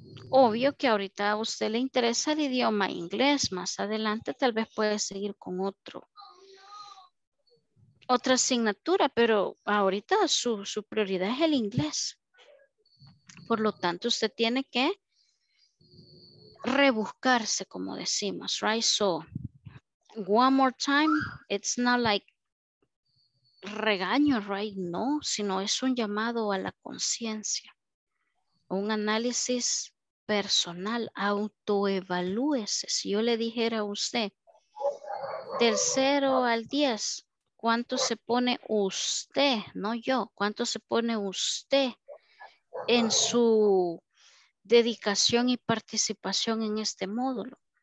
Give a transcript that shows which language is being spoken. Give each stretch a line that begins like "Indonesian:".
Spanish: Obvio que ahorita a usted le interesa el idioma inglés, más adelante tal vez puede seguir con otra asignatura, pero ahorita su prioridad es el inglés. Por lo tanto, usted tiene que rebuscarse, como decimos, right?
English: So, one more time, it's not like regaño, right?
Spanish: No, sino es un llamado a la conciencia, un análisis personal, autoevalúese. Si yo le dijera a usted, del 0 al 10, ¿cuánto se pone usted, no yo, cuánto se pone usted en su dedicación y participación en este módulo?